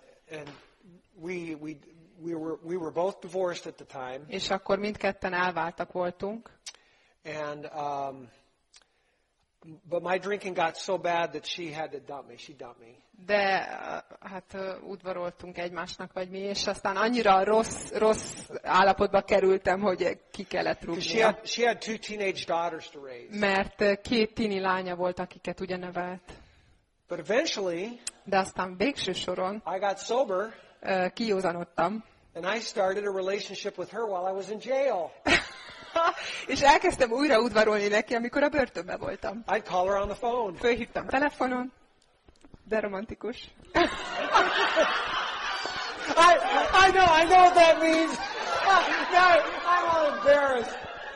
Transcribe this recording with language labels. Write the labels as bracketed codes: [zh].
[en] And we were both divorced at the time. [hu] És akkor mindketten elváltak voltunk. [en] And but my drinking got so bad that she had to dump me. She dumped me. [hu] De hát udvaroltunk egymásnak vagy mi, és aztán annyira rossz állapotba kerültem, hogy ki kellett rúgnia. [en] She had two teenage daughters to raise. [hu] Mert két tini lánya volt, akiket ugye nevelt. [en] But eventually, [hu] de aztán végső soron [en] I got sober, [hu] kijózanodtam. [en] And I started a relationship with her while I was in jail. [hu] És elkezdtem újra udvarolni neki, amikor a börtönbe voltam. [en] I'd call her on the phone. [hu] Fölhívtam telefonon. De romantikus. [en] I know what that means. No, I'm all embarrassed.